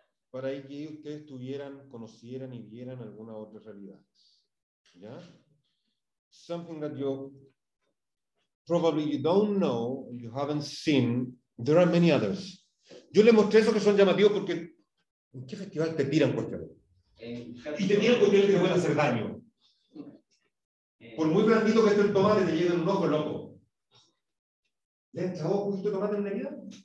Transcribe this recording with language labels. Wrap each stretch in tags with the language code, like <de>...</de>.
<es>Para que ustedes tuvieran, conocieran y vieran alguna otra realidad. ¿Ya?</es> <en>Something that you probably you don't know, you haven't seen, there are many others.</en> <es>Yo les mostré eso que son llamativos porque ¿en qué festival te tiran cuestiones? Y te tiran cuestiones que te pueden hacer daño. Por muy blandito que esté el tomate, te llega un ojo loco. ¿Le has echado justo tomate en la vida?</es>